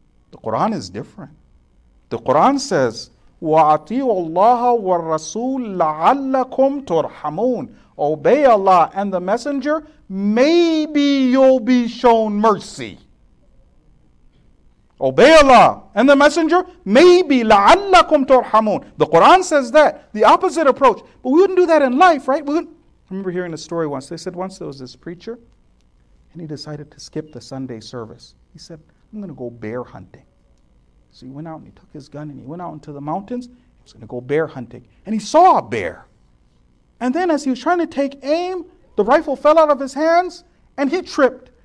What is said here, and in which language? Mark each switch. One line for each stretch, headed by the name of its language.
English: The Quran is different. The Quran says,
Arabic: وَأَطِيعُوا اللَّهَ وَالرَّسُولَ لَعَلَّكُمْ تُرْحَمُونَ
English: Obey Allah and the Messenger. Maybe you'll be shown mercy. Obey Allah and the messenger. Maybe,
Arabic: لَعَلَّكُمْ تُرْحَمُونَ.
English: The Quran says that. The opposite approach. But we wouldn't do that in life, right? We wouldn't. I remember hearing a story once. They said once there was this preacher, and he decided to skip the Sunday service. He said, I'm going to go bear hunting. So he went out and he took his gun and he went out into the mountains. He was going to go bear hunting. And he saw a bear. And then as he was trying to take aim, the rifle fell out of his hands and he tripped.